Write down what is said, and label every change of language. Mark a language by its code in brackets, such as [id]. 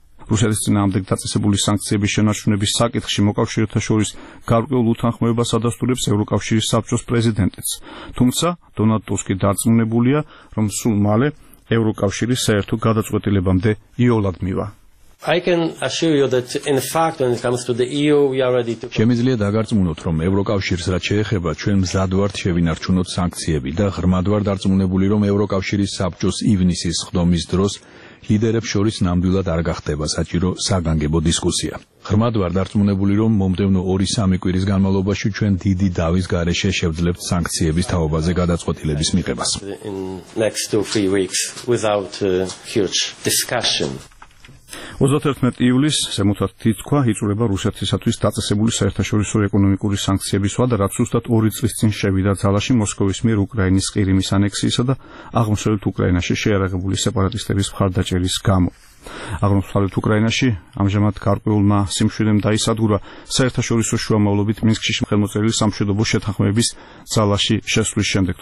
[ka] რუსეთის წინააღმდეგ დაწესებული სანქციების შენარჩუნების საკითხში მოკავშირეთა შორის გარკვეულ უთანხმოებას ადასტურებს ევროკავშირის საბჭოს პრეზიდენტიც. თუმცა დონალდ ტუსკი დარწმუნებულია, რომ სულ მალე ევროკავშირის საერთო გადაწყვეტილებამდე იოლად მივა. [en] I can assure you that in fact when it comes to the EU we are ready to [ka] შემიძლია დაგარწმუნოთ, რომ ევროკავშირს რაც შეეხება, ჩვენ მზად ვართ შევინარჩუნოთ სანქციები და ღრმად ვარ დარწმუნებული, რომ ევროკავშირის საბჭოს ივნისის ხდომის დროს ლიდერებს შორის ნამდვილად არ გახდება საჭირო საგანგებო დისკუსია. ღრმად ვარ დარწმუნებული, რომ მომდევნო 2-3 კვირის განმავლობაში ჩვენ დიდი დავის გარეშე შევძლებთ სანქციების თაობაზე გადაწყვეტილების მიღებას. [en] Next 2-3 weeks without a huge discussion. [ka] 31 ივლისს ზემოთაც თითქმა იწურება რუსეთისათვის დაწესებული საერთაშორისო ეკონომიკური სანქციების ვადა, რაც უშუალოდ 2 წლის წინ შევიდა ძალაში მოსკოვის მიერ უკრაინის ყირიმის ანექსიისა და აღმოსავლეთ უკრაინაში შეიარაღებული სეპარატისტების მხარდაჭერის გამო. აღმოსავლეთ უკრაინაში ამჟამად გარკვეულმა სიმშვიდემ დაისადგურა საერთაშორისო შუამავლობით მინსკში ხელმოწერილი სამშვიდობო შეთანხმების ძალაში შესვლის შემდეგ.